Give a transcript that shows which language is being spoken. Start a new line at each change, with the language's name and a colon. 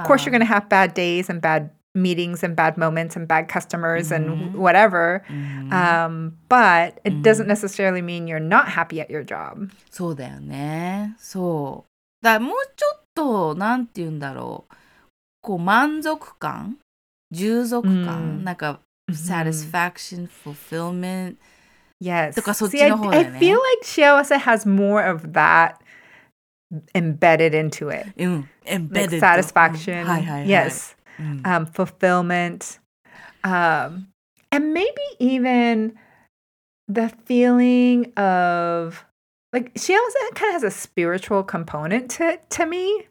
English: of course you're going to have bad days and bad meetings and bad moments and bad customers mm-hmm. and whatever. Mm-hmm. But it doesn't necessarily mean you're not happy at your job.
Japanese: そうだよね。そう。だからもうちょっと、なんて言うんだろう。こう、満足感、充足感、mm-hmm.
English: なんか、satisfaction, fulfillment. Yes.
Japanese: とかそっちの方だよね。
English: See, I feel like 幸せ has more of that. Embedded into it. Embedded. Like satisfaction.
Japanese: はいはいはい、
English: yes.、うん、fulfillment. And maybe even the feeling of, like, 幸せ kind of has a spiritual component to me.